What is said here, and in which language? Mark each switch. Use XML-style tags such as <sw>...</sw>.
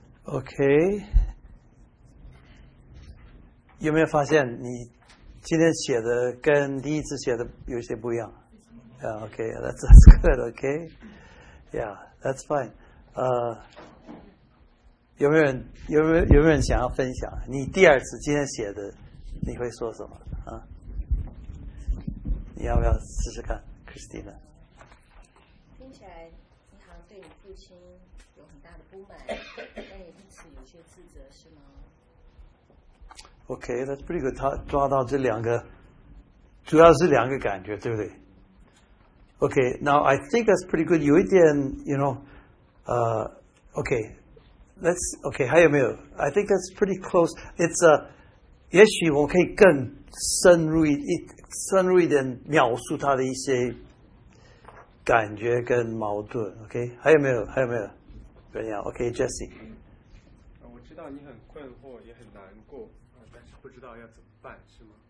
<zh>OK 有没有发现你今天写的跟第一次写的有些不一样</zh> <en>yeah, OK that's good OK Yeah that's fine</en> <zh>有没有人想要分享你第二次今天写的你会说什么、啊、你要不要试试看 Christina 听起来银行对你父亲有很大的不满但也因此有些自责是吗</zh> <en>OK that's pretty good</en> <zh>他抓到这两个主要是两个感觉对不对</zh> <en>OK now I think that's pretty good</en> <zh>有一点</zh> <en>you know OK let's OK</en> <zh>还有没有</zh> <en>I think that's pretty close it's a</en> <zh>也许我可以更深入 深入一点描述他的一些感觉跟矛盾。 OK， 还有没有？还有没有？怎样 ？OK，Jesse。我知道你很困惑，也很难过，但是不知道要怎么办，是吗</zh>